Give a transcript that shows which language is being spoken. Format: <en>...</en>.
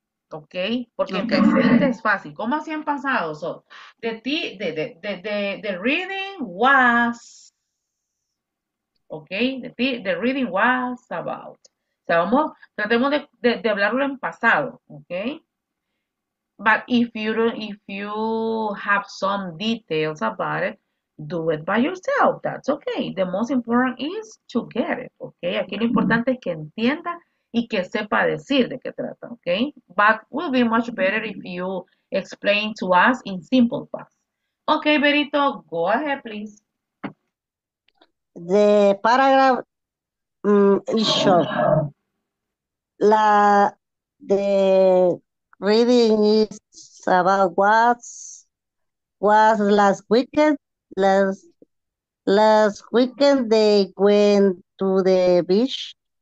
<es>¿Ok? Porque en presente es fácil. ¿Cómo hacía en pasado?</es> <en>So, the reading was. ¿Ok? The reading was about.</en> <es>O sea, vamos, tratemos de hablarlo en pasado. ¿Ok?</es> <en>But if you have some details about it, do it by yourself. That's okay. The most important is to get it. Okay.</en> <es>Aquí lo importante es que entienda y que sepa decir de qué trata. Okay.</es> <en>But will be much better if you explain to us in simple past. Okay, Berito, go ahead, please. The paragraph is short. Reading is about what was last weekend they went to the beach.</en>